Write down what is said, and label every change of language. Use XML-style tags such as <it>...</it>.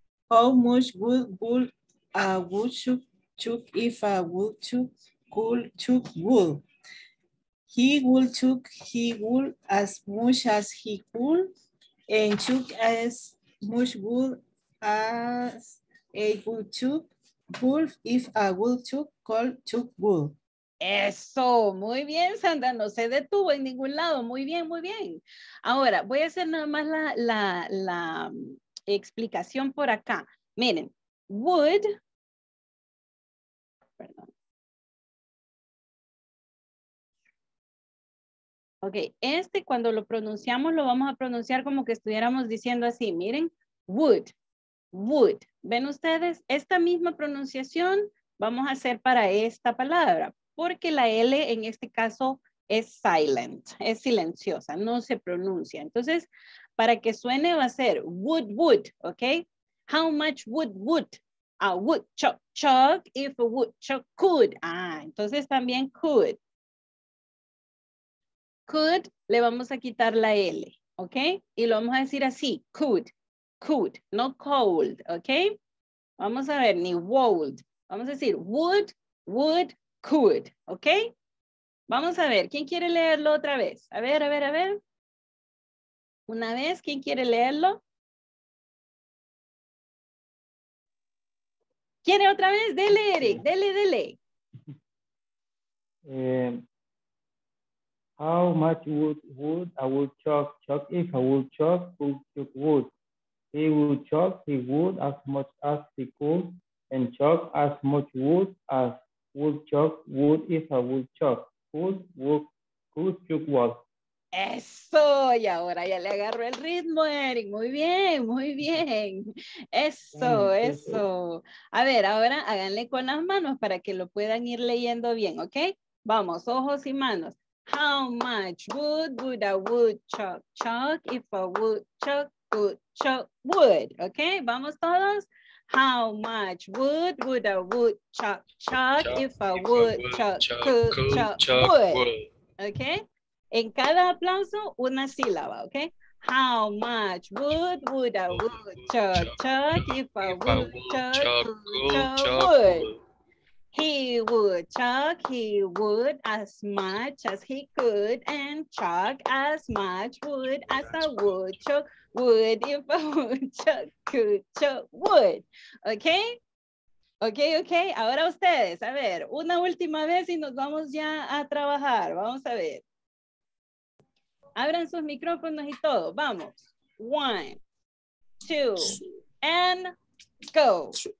<en>How much wood would a woodchuck chuck if a woodchuck could chuck wood? He would chuck, he would as much as he could, and chuck as much wood as a woodchuck wolf if a woodchuck call chuck wolf.</en> <es>Eso, muy bien, Sandra, no se detuvo en ningún lado. Muy bien, muy bien. Ahora voy a hacer nada más la explicación por acá. Miren, wood, perdón. Ok, este cuando lo pronunciamos lo vamos a pronunciar como que estuviéramos diciendo así. Miren, wood. Would. ¿Ven ustedes? Esta misma pronunciación vamos a hacer para esta palabra, porque la L en este caso es silent, es silenciosa, no se pronuncia. Entonces, para que suene va a ser would, would, ¿ok?</es> <en>How much would a woodchuck chuck if a woodchuck could?</en> <es>Ah, entonces también could. Could, le vamos a quitar la L, ¿ok? Y lo vamos a decir así, could. Could, no cold, ok. Vamos a ver, ni would. Vamos a decir would, could, ok. Vamos a ver, ¿quién quiere leerlo otra vez? A ver, a ver, a ver. Una vez, ¿quién quiere leerlo? ¿Quiere otra vez? Dele, Eric, dele.</es> <en>How much would a woodchuck chuck if a woodchuck chuck wood? He would chuck he would as much as he could, and chuck as much wood as would chuck wood if a wood chuck could chuck wood.</en> <es>Eso, y ahora ya le agarró el ritmo, Eric. Muy bien, muy bien. Eso, eso. A ver, ahora háganle con las manos para que lo puedan ir leyendo bien, ¿ok? Vamos, ojos y manos.</es> <en>How much wood would a wood chuck if a wood chuck would, ok,</en> <es>vamos todos.</es> <en>How much wood would a wood chuck if a wood chuck could chuck wood, ok.</en> <es>En cada aplauso una sílaba,</es> <en>ok. How much wood would a wood chuck if a wood chuck wood. He would as much as he could, and chuck as much wood as a woodchuck would if a woodchuck could chuck wood. Okay? Okay, okay.</en> <es>Ahora ustedes, a ver, una última vez y nos vamos ya a trabajar. Vamos a ver. Abran sus micrófonos y todo. Vamos.</es> <en>One, two, and go.</en>